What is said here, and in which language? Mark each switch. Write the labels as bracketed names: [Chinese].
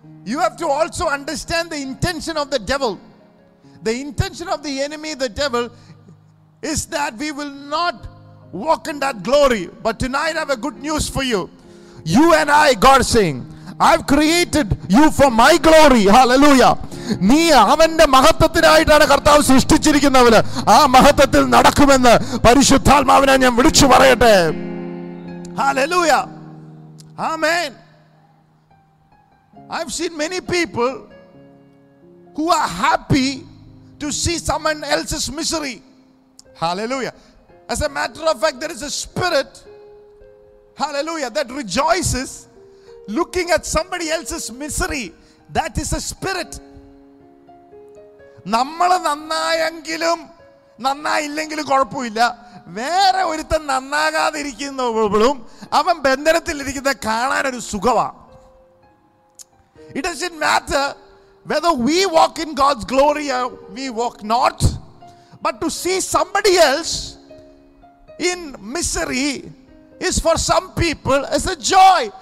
[English] You have to also understand the intention of the devil. The intention of the enemy, the devil, is that we will not walk in that glory. But tonight I have a good news for you. You and I, God saying, I've created you for my glory. Hallelujah. [Malayalam] നീ അവന്റെ മഹത്വത്തിനായിട്ടാണ് കർത്താവ് സൃഷ്ടിച്ചിരിക്കുന്നവര്. ആ മഹത്വത്തിൽ നടക്കുമെന്ന് പരിശുദ്ധാത്മാവിനെ ഞാൻ വിളിച്ചു പറയട്ടെ. [English] Hallelujah. Amen. I've seen many people who are happy to see someone else's misery. Hallelujah. As a matter of fact, there is a spirit, hallelujah, that rejoices looking at somebody else's misery. That is a spirit. [Malayalam] നമ്മൾ നന്നായെങ്കിലും നന്നായില്ലെങ്കിലും കുഴപ്പമില്ല, വേറെ ഒരുത്തൻ നന്നാകാതിരിക്കുന്നവളും അവൻ ബന്ധനത്തിലിരിക്കുന്ന കാണാൻ ഒരു സുഖമാണ്. [English] It does not matter whether we walk in God's glory or we walk not, but to see somebody else in misery is for some people is a joy.